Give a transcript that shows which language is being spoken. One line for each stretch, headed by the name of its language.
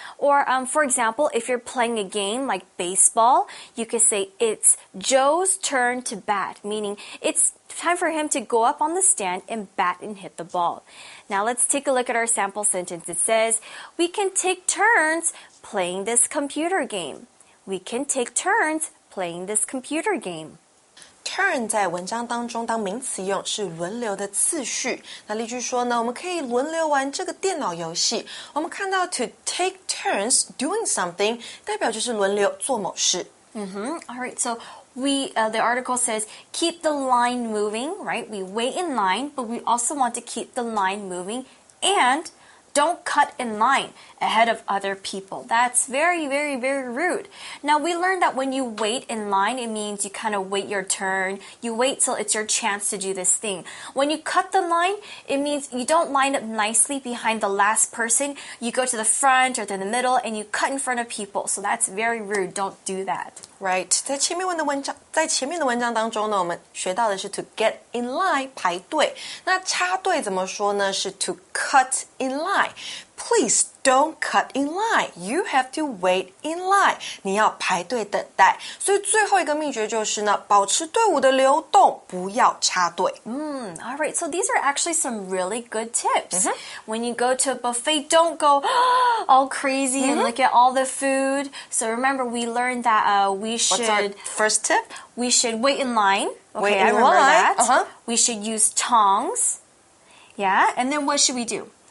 English: Or, for example, if you're playing a game like baseball, you could say, it's Joe's turn to bat, meaning it's time for him to go up on the stand and bat and hit the ball. Now, let's take a look at our sample sentence. It says, we can take turns playing this computer game. We can take turns playing this computer game.
Chinese: Turn 在文章当中当名词用是轮流的次序。那例句说呢，我们可以轮流玩这个电脑游戏。我们看到
English: to take turns doing something
Chinese: 代表就是轮流做某事。
English: All right, so the article says keep the line moving, right? We wait in line, but we also want to keep the line moving and... Don't cut in line ahead of other people. That's very, very, very rude. Now, we learned that when you wait in line, it means you kind of wait your turn. You wait till it's your chance to do this thing. When you cut the line, it means you don't line up nicely behind the last person. You go to the front or to the middle and you cut in front of people. So that's very rude. Don't do that.
Chinese: Right, 在前面的文章当中呢，我们学到的是
English: to get in line,
Chinese: 排队。那插队怎么说呢？是
English: to cut in line. Please don't cut in line. You have to wait in line.
Chinese: 你要排队等待。所以最后一个秘诀就是呢，保持队伍的流动，不要插队。
English: All right, so these are actually some really good tips. When you go to a buffet, don't go all crazy and look at all the food. So remember, we learned that we should wait in line. Okay, I remember that. We should use tongs. Yeah, and then what should we do?